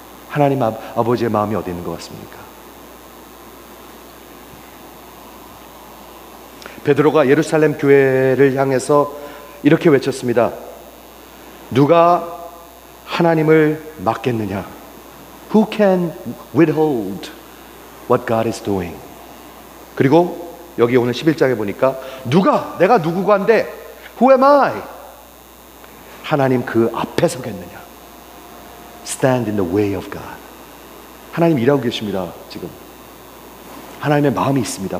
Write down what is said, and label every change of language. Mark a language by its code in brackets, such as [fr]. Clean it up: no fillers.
[ko] 하나님 아버지의 마음이 어디 있는 것 같습니까? 베드로가 예루살렘 교회를 향해서 이렇게 외쳤습니다. 누가 하나님을 막겠느냐? [en] Who can withhold what God is doing? [ko] 그리고 여기 오늘 11장에 보니까 누가? 내가 누구관데? [en] Who am I? [ko] 하나님 그 앞에 서겠느냐? [en] Stand in the way of God. [ko] 하나님 일하고 계십니다, 지금. 하나님의 마음이 있습니다.